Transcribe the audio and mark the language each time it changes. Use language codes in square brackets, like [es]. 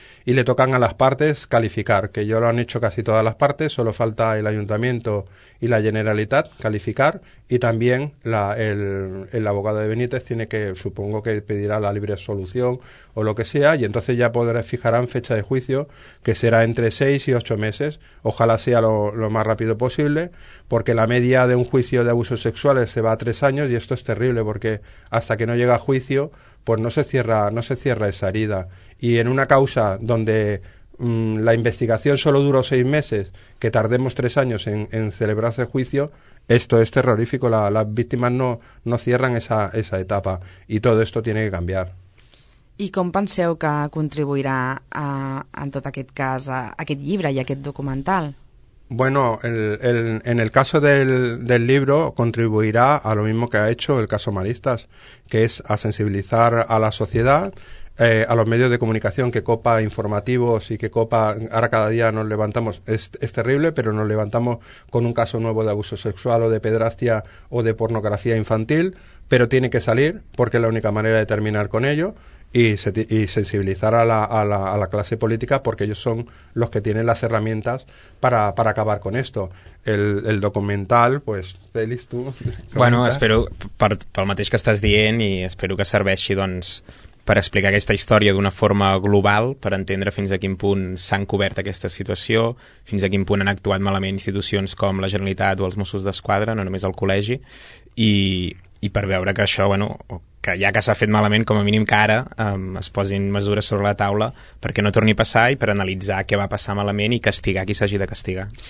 [es] y le tocan a las partes calificar, que ya lo han hecho casi todas las partes, solo falta el ayuntamiento y la Generalitat calificar, y también el abogado de Benítez tiene que, supongo que pedirá la libre absolución o lo que sea, y entonces ya fijarán fecha de juicio, que será entre 6 y 8 meses, ojalá sea lo más rápido posible, porque la media de un juicio de abusos sexuales se va a 3 años, y esto es terrible, porque hasta que no llega a juicio, pues no se cierra esa herida. Y en una causa donde la investigación solo duró 6 meses, que tardemos 3 años en celebrarse el juicio, esto es terrorífico. Las víctimas no cierran esa etapa y todo esto tiene que cambiar. [ca] ¿Y com penseu que contribuirá en tot aquest cas a aquest llibre i a aquest documental? [es] Bueno, en el caso del libro contribuirá a lo mismo que ha hecho el caso Maristas, que es a sensibilizar a la sociedad, a los medios de comunicación que copa informativos y que copa, ahora cada día nos levantamos, es terrible, pero nos levantamos con un caso nuevo de abuso sexual o de pederastia o de pornografía infantil, pero tiene que salir porque es la única manera de terminar con ello. Y sensibilizar a la clase política, porque ellos son los que tienen las herramientas para acabar con esto. El documental, pues, feliz tú. [ca] Bueno, espero, pel mateix que estàs dient, i espero que serveixi, doncs, per explicar aquesta història d'una forma global, per entendre fins a quin punt s'han cobert aquesta situació, fins a quin punt han actuat malament institucions com la Generalitat o els Mossos d'Esquadra, no només el col·legi, i per veure que això, bueno, que ja que s'ha fet malament, com a mínim que ara es posin mesures sobre la taula perquè no torni a passar i per analitzar què va passar malament i castigar qui s'hagi de castigar.